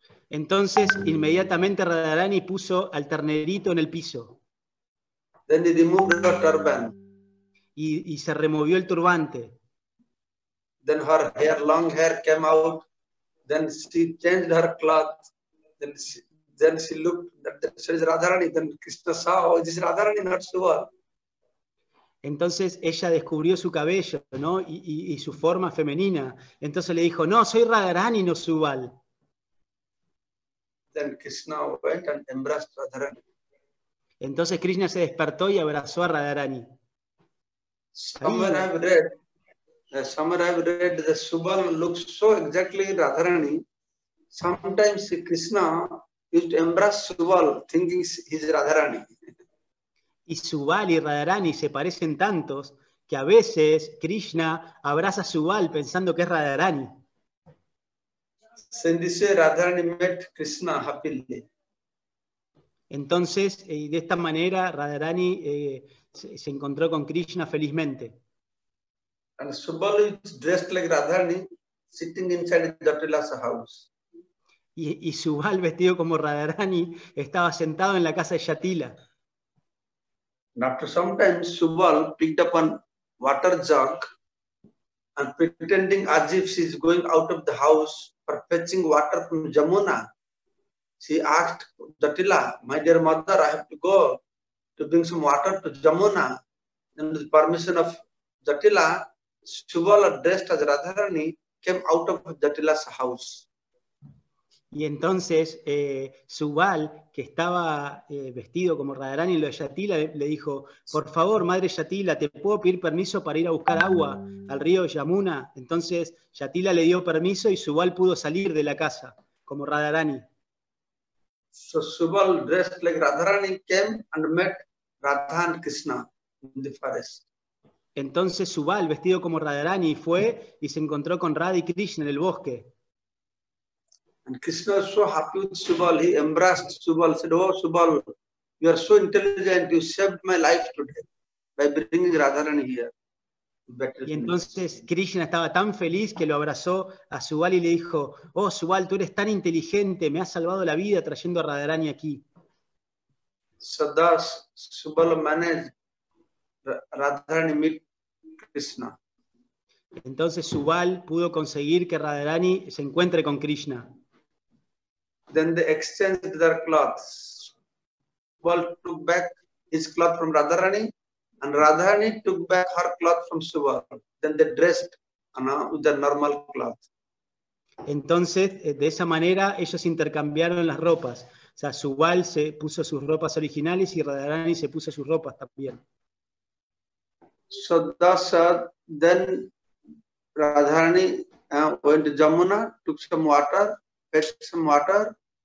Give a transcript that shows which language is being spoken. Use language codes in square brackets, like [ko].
[es] Entonces inmediatamente Radharani puso al ternerito en el piso. [en] Then he removed the turban. [es] Y se removió el turbante. [en] Then her hair, long hair came out. Then she changed her cloth. Then she looked at the Radharani. Then Krishna saw, oh, this is Radharani, not Shiva. [es] Entonces ella descubrió su cabello, ¿no? Y su forma femenina. Entonces le dijo, no, soy Radharani, no Subal. [en] Then Krishna went and embraced Radharani. [es] Entonces Krishna se despertó y abrazó a Radharani. [en] Somewhere I've read that Subal looks so exactly Radharani. Sometimes Krishna used to embrace Subal, thinking he's Radharani. [es] Y Subal y Radharani se parecen tantos que a veces Krishna abraza a Subal pensando que es Radharani. [en] Radharani met Krishna happily. [es] Entonces, de esta manera, Radharani se encontró con Krishna felizmente. [en] And Subal is dressed like Radharani, sitting inside Jatila's house. [es] Y Subal, vestido como Radharani, estaba sentado en la casa de Jatila. [en] After some time, Subal picked up a water jug and pretending as if she is going out of the house for fetching water from Jamuna, she asked Jatila, my dear mother, I have to go to bring some water to Jamuna. And with permission of Jatila, Subal, dressed as Radharani, came out of Jatila's house. [es] Y entonces Subal, que estaba vestido como Radharani, lo de Yatila, le dijo, por favor, madre Yatila, ¿te puedo pedir permiso para ir a buscar agua al río Yamuna? Entonces Yatila le dio permiso y Subal pudo salir de la casa como Radharani. [en] So Subal, dressed like Radharani, came and met Radha and Krishna in the forest. [es] Entonces Subal, vestido como Radharani, fue y se encontró con Radha y Krishna en el bosque. [en] And Krishna was so happy with Subal, he embraced Subal, said, oh Subal, you are so intelligent, you saved my life today by bringing Radharani here. [es] Y entonces Krishna estaba tan feliz que lo abrazó a Subal y le dijo, oh Subal, tú eres tan inteligente, me has salvado la vida trayendo a Radharani aquí. [en] So thus, Subal managed Radharani meet Krishna. [es] Entonces Subal pudo conseguir que Radharani se encuentre con Krishna. [en] Then they exchanged their clothes. Subal took back his cloth from Radharani, and Radharani took back her cloth from Subal. Then they dressed, you know, with their normal cloth. [es] Entonces, de esa manera, ellos intercambiaron las ropas. O sea, Subal se puso sus ropas originales y Radharani se puso sus ropas también. [en] So thus, then Radharani went to Jamuna, took some water, fetched some water.